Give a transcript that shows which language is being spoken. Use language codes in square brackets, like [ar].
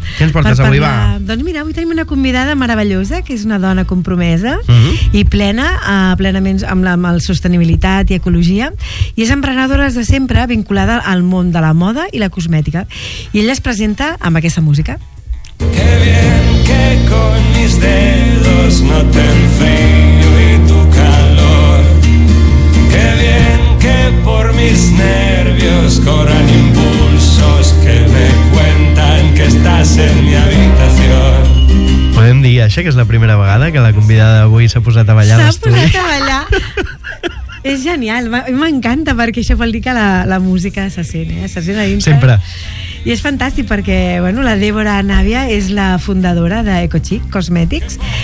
[ca] Què ens portes avui, va? Doncs mira, avui tenim una convidada meravellosa, que és una dona compromesa i plena, plenament amb la sostenibilitat i ecologia, i és emprenedora des de sempre, vinculada al món de la moda i la cosmètica. I ella es presenta amb aquesta música. [es] Qué bien que con mis dedos no ten frío y tu calor. Qué bien que por mis nervios corran impulsos que me cuentan que estás en mi habitación. [ca] Podem dir, això, que és la primera vegada que la convidada d'avui s'ha posat a ballar a l'estudi. S'ha posat a ballar. És genial, m'encanta, perquè això vol dir que la música se sent, eh? Se sent a dintre. Sempre. I és fantàstic perquè, bueno, la Débora Navia és la fundadora d'Ecochic Cosmetics.